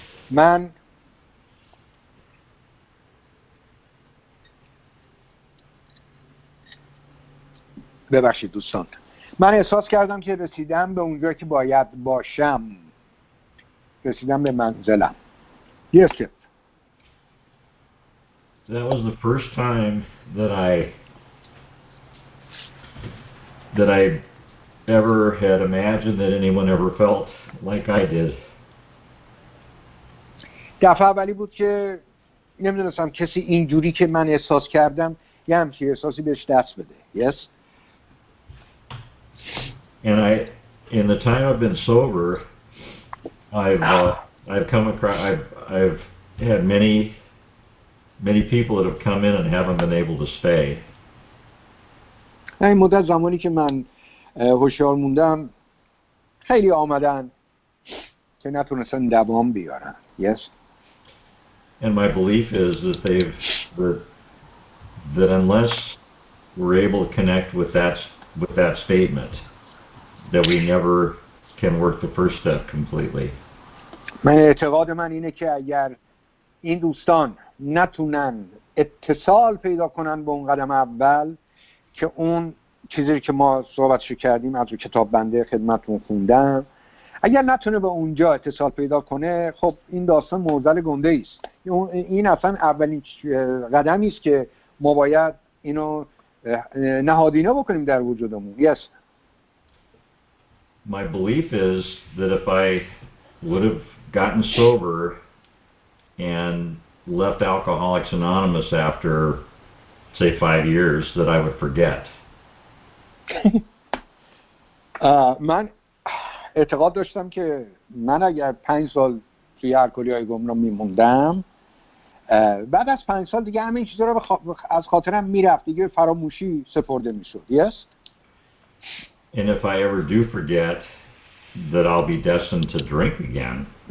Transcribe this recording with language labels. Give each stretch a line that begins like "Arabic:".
Persian: من ببخشید دوستان، من احساس کردم که رسیدم به اونجا که باید باشم، رسیدم به منزلم.
English: Yes, sir. That was the first time that I ever had imagined that anyone ever felt like I did.
Persian: دفعه اولی بود که نمیدونستم کسی اینجوری که من احساس کردم یه همچی احساسی بهش دست بده.
English: Yes. And in the time I've been sober, I've had many people that have come in and haven't been able to stay.
Persian: این مدت زمانی که من هوشیار موندم خیلی آمدن که نتونستن دوام بیارن.
English: Yes. And my belief is that that unless we're able to connect with that statement, that we never can work the first step completely.
Persian: من اعتقاد من اینه که اگر این دوستان نتونن اتصال پیدا کنن به اون قدم اول، که اون چیزی که ما صحبتش کردیم از رو کتاب بنده خدمتتون خوندم، اگر نتونه به اونجا اتصال پیدا کنه، خب این داستان مرزل گنده است. این اصلا اولین قدمی است که ما باید اینو نهادینه بکنیم در وجودمون.
English: Yes. My belief is that if I would have gotten sober and left Alcoholics Anonymous after, say, 5 years, that I would forget.
Persian: من اعتقاد داشتم که من اگر 5 سال توی الکلی‌های گمنام میموندم، بعد از 5 سال دیگه همه این چیزا رو از خاطرم میرفت، دیگه فراموشی سپرده میشد.
English: Yes. And if I ever do forget, that I'll be destined to drink again.